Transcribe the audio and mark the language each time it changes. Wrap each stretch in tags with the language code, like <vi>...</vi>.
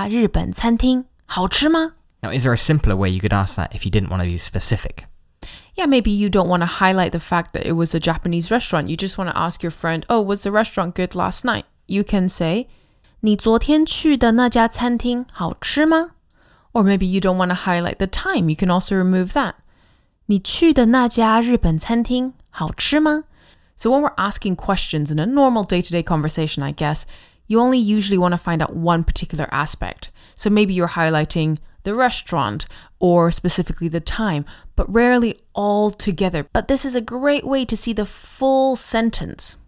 <zh>那你昨天去的那家日本餐厅好吃吗?</zh> <en>Now, is there a simpler way you could ask that if you didn't want to be specific? Yeah, maybe you don't want to highlight the fact that it was a Japanese restaurant. You just want to ask your friend, oh, was the restaurant good last night? You can say,</en> <zh>你昨天去的那家餐厅好吃吗?</zh> <en>Or maybe you don't want to highlight the time. You can also remove that.</en> <zh>你去的那家日本餐厅好吃吗?</zh> <en>So when we're asking questions in a normal day-to-day conversation, I guess, you only usually want to find out one particular aspect. So maybe you're highlighting the restaurant, or specifically the time, but rarely all together. But this is a great way to see the full sentence.</en>